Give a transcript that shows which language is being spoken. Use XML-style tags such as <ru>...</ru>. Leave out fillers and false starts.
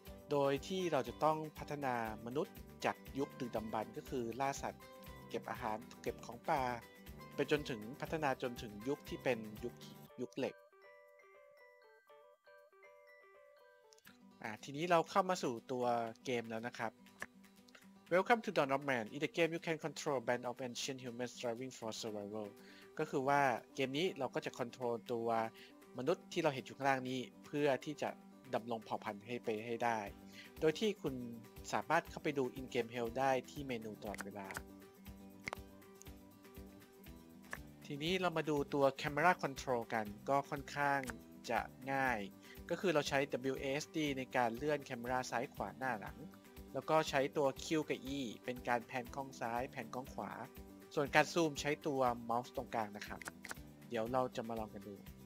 <th>โดยที่เราจะต้องพัฒนามนุษย์จากยุคดึกดำบรรพ์ก็คือล่าสัตว์เก็บอาหารเก็บของป่าไปจนถึงพัฒนาจนถึงยุคที่เป็นยุคเหล็กทีนี้เราเข้ามาสู่ตัวเกมแล้วนะครับ</th> <en>Welcome to Dawn of Man. In the game, you can control a band of ancient humans striving for survival.</en> <th>ก็คือว่าเกมนี้เราก็จะควบคุมตัวมนุษย์ที่เราเห็นอยู่ข้างล่างนี้เพื่อที่จะดำรงเผ่าพันธุ์ให้ได้โดยที่คุณสามารถเข้าไปดู In-Game Health ได้ที่เมนูตลอดเวลา ทีนี้เรามาดูตัว Camera Control กันก็ค่อนข้างจะง่ายก็คือเราใช้ WASD ในการเลื่อนแคเมราซ้ายขวาหน้าหลังแล้วก็ใช้ตัว Q กับ E เป็นการแพนกล้องซ้ายแพนกล้องขวาส่วนการซูมใช้ตัวเมาส์ตรงกลางนะครับเดี๋ยวเราจะมาลองกันดู</th>